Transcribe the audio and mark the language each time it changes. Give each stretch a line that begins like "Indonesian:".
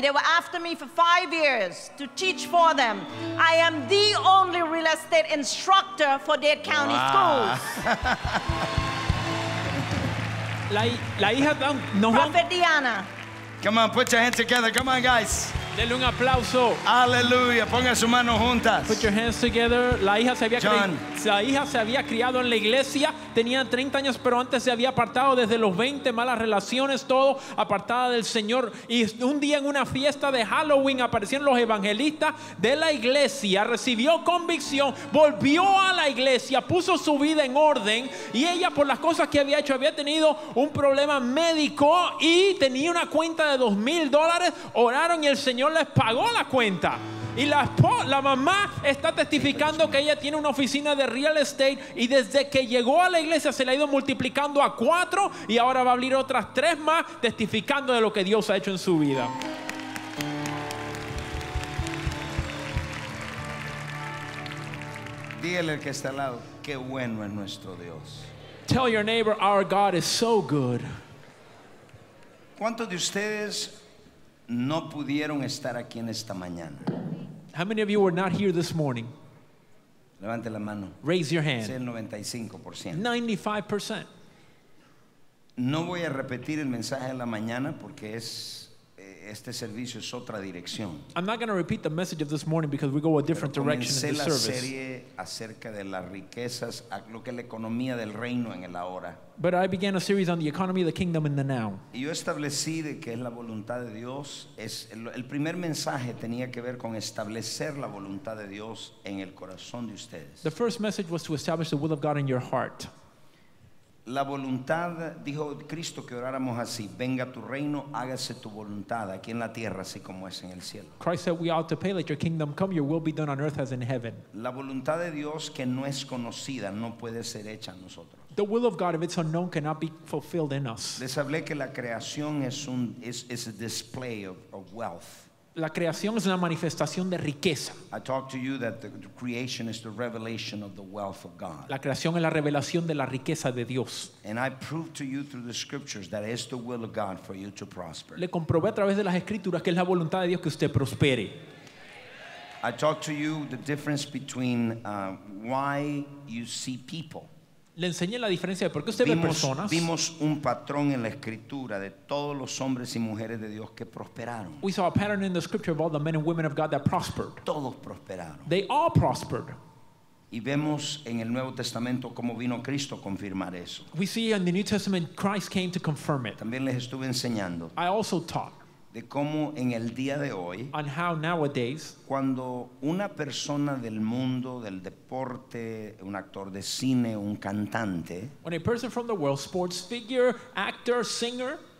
English: They were after me for 5 years to teach for them. I am the only real estate instructor for Dade County Schools.
Spanish: La hija
English: Prophet Deanna. Come on, put your hands together. Come on, guys.
Spanish: Dele un aplauso. Aleluya. Ponga sus manos juntas.
English: Put your hands together.
Spanish: La hija se había criado en la iglesia. Tenía 30 años, pero antes se había apartado desde los 20. Malas relaciones, todo apartada del Señor. Y un día en una fiesta de Halloween aparecieron los evangelistas de la iglesia. Recibió convicción. Volvió a la iglesia. Puso su vida en orden. Y ella, por las cosas que había hecho, había tenido un problema médico y tenía una cuenta de $2,000. Oraron y el Señor les pagó la cuenta. Y la mamá está testificando que ella tiene una oficina de real estate y desde que llegó a la iglesia se le ha ido multiplicando a 4 y ahora va a abrir otras 3 más, testificando de lo que Dios ha hecho en su vida. Dígale al que está al lado, qué bueno es nuestro Dios.
English: Tell your neighbor, our God is so good.
Spanish: ¿Cuántos de ustedes no pudieron estar aquí en esta mañana?
English: How many of you were not here this morning?
Spanish: Levante la mano.
English: Raise your hand.
Spanish: Es el 95%.
English: 95%.
Spanish: No voy a repetir el mensaje de la mañana porque es este servicio es otra dirección.
English: I'm not going to repeat the message of this morning because we go a different direction in the service.
Spanish: Comencé la serie acerca de las riquezas, lo que es la economía del reino en el ahora.
English: But I began a series on the economy of the kingdom in the now.
Spanish: Y yo establecí de que es la voluntad de Dios. Es el primer mensaje tenía que ver con establecer la voluntad de Dios en el corazón de ustedes.
English: The first message was to establish the will of God in your heart.
Spanish: La voluntad, dijo Cristo que oráramos así, venga tu reino, hágase tu voluntad aquí en la tierra así como es en el cielo.
English: Christ said we ought to pray, let your kingdom come, your will be done on earth as in heaven.
Spanish: La voluntad de Dios que no es conocida no puede ser hecha en nosotros.
English: The will of God, if it's unknown, cannot be fulfilled in us.
Spanish: Les hablé que la creación es un
English: is a display of wealth.
Spanish: La creación es una manifestación de riqueza.
English: I talked to you that the creation is the revelation of the wealth of God.
Spanish: La creación es la revelación de la riqueza de Dios.
English: And I proved to you through the scriptures that it's the will of God for you to prosper.
Spanish: Le comprobé a través de las escrituras que es la voluntad de Dios que usted prospere.
English: I talked to you the difference between why you see people.
Spanish: Le enseñé la diferencia de por qué usted ve personas. Vimos un patrón en la escritura de todos los hombres y mujeres de Dios que prosperaron.
English: We saw a pattern in the scripture of all the men and women of God that prospered.
Spanish: Todos prosperaron.
English: They all prospered.
Spanish: Y vemos en el Nuevo Testamento cómo vino Cristo a confirmar eso.
English: We see in the New Testament Christ came to confirm it.
Spanish: También les estuve enseñando.
English: I also taught.
Spanish: De cómo en el día de hoy,
English: on how nowadays,
Spanish: cuando una persona del mundo, del deporte, un actor de cine, un cantante,
English: when a person from the world, sports figure, actor, singer,